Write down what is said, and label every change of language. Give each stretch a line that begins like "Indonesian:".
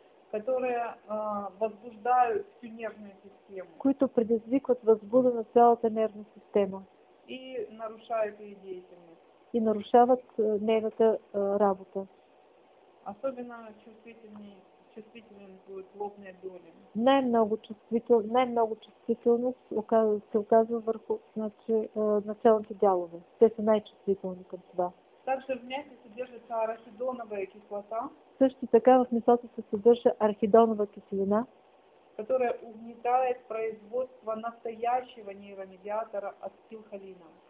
Russian: Которые возбуждают всю нервную систему.
Bulgarian: Които предизвикват възбуда на цялата нервна система.
Russian: И нарушают ее деятельность.
Bulgarian: И нарушават нейната работа.
Russian: Особенно чувствителен будет лобные доли.
Bulgarian: Най-много чувствителност се оказва върху началните дялове. Те са най-чувствителни към това.
Russian: Также в мясе содержится арахидоновая кислота.
Bulgarian: Също така в месото се съдържа архидонова киселина,
Russian: которая угнетает производство настоящего нейромедиатора ацетилхолина.